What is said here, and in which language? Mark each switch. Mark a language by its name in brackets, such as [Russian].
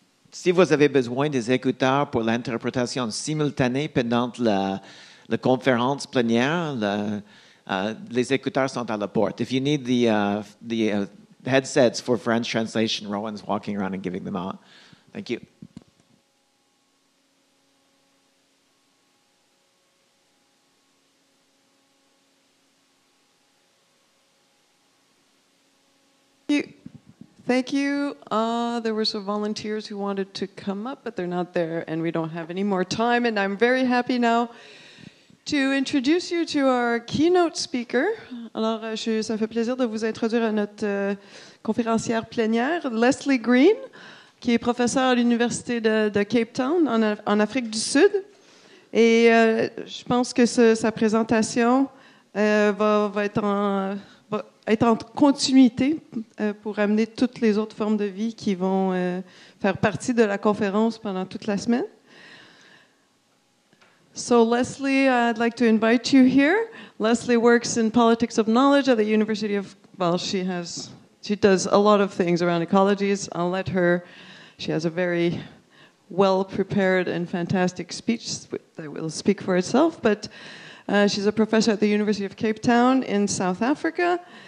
[French] Si vous avez besoin des écouteurs pour l'interprétation simultanée pendant la conférence plénière, les écouteurs sont à la porte. [English] If you need the headsets for French translation, Rowan's walking around and giving them out. Thank you. Thank you. There were some volunteers who wanted to come up, but they're not there, and we don't have any more time. And I'm very happy now to introduce you to our keynote speaker. [French] Alors, ça me fait plaisir de vous introduire à notre conférencière plénière, Lesley Green, qui est professeure à l'Université de Cape Town, en Afrique du Sud. Et je pense que sa présentation va être en continuité pour amener toutes les autres formes de vie qui vont faire partie de la conférence pendant toute la semaine. [English] So Lesley, I'd like to invite you here. Lesley works in politics of knowledge at the University of, well, she does a lot of things around ecologies. I'll let her, she has a very well-prepared and fantastic speech that will speak for itself, but she's a professor at the University of Cape Town in South Africa.